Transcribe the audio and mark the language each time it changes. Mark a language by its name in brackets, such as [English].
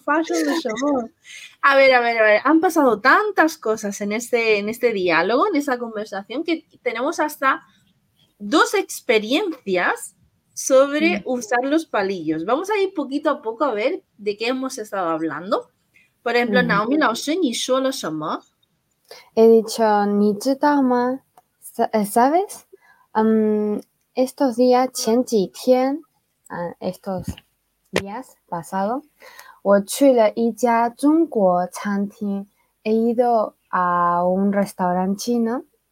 [Chinese] 发生了什么？ [Spanish] A ver, han pasado tantas cosas en este diálogo, en esta conversación, que tenemos hasta dos experiencias sobre usar los palillos. Vamos a ir poquito a poco a ver de qué hemos estado hablando. Por ejemplo, Naomi 老师， [Chinese] 你说了什么？ [Spanish] He dicho, [Chinese] 你知道吗 [Spanish] ？Sabes? Estos días [Chinese] 前几天， [Spanish] estos Yes, pasado. [Chinese] 我去了一家中国餐厅。 [Spanish] He ido a un restaurante chino.